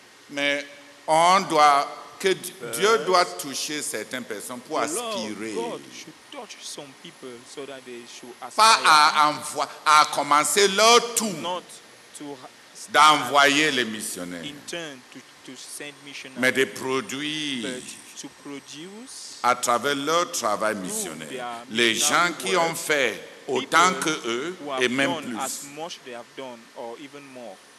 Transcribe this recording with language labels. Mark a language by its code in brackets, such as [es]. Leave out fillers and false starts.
[fr] Mais on doit, que Dieu doit toucher certaines personnes pour aspirer. [en] Touch some people so that they should aspire. [fr] Pas à envoyer, à commencer leur tour d'envoyer les missionnaires, [en] in turn to send missionaries, [fr] mais de produire [en] to produce [fr] à travers leur travail missionnaire les gens qui ont fait autant que eux et même plus. [en] As much they have done or even more.